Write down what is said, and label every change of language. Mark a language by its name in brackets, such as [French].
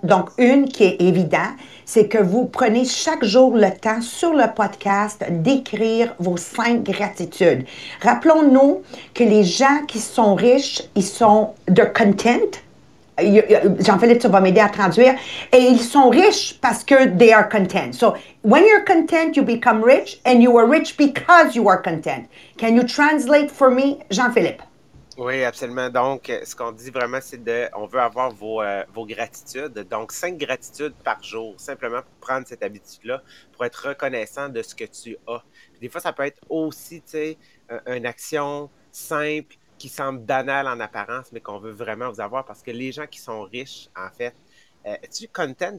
[French] Donc, une qui est évidente, c'est que vous prenez chaque jour le temps sur le podcast d'écrire vos cinq gratitudes. Rappelons-nous que les gens qui sont riches, ils sont « [English] they're content ». [French] Jean-Philippe, tu vas m'aider à traduire. Et ils sont riches parce que [English] they are content. So, when you're content, you become rich, and you are rich because you are content. Can you translate for me, Jean-Philippe? [French] Oui, absolument. Donc, ce qu'on dit vraiment, c'est de, on veut avoir vos gratitudes. Donc, cinq gratitudes par jour, simplement pour prendre cette habitude-là, pour être reconnaissant de ce que tu as. Puis des fois, ça peut être aussi, tu sais, une action simple, qui semble banal en apparence, mais qu'on veut vraiment vous avoir parce que les gens qui sont riches, en fait, es-tu content?